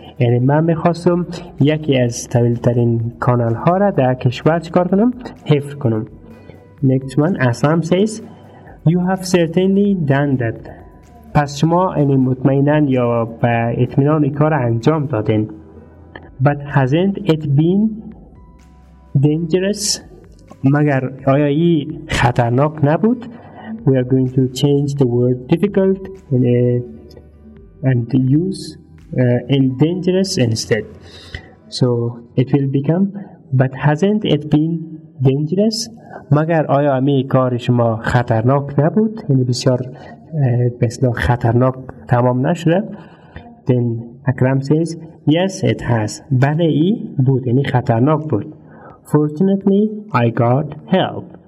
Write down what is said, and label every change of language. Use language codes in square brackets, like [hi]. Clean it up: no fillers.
[fa] یعنی من میخواستم یکی از طویل ترین کانال ها را در کشور چکار کنم؟ حفر کنم. [en] Next one, Aslam says, you have certainly done that. [fa] پس شما یعنی مطمئنن یا به اطمینان این کار انجام دادین. [en] But hasn't it been dangerous? [fa] مگر آیا ای خطرناک نبود؟ [en] We are going to change the word difficult and use in dangerous instead. So it will become, but hasn't it been dangerous? [fa] مگر آیا امی کار شما خطرناک نبود؟ یعنی بسیار بسیار خطرناک تمام نشده؟ [en] Then Akram says, yes it has. [fa] بله ای بود یعنی خطرناک بود. [en] Fortunately, I got help.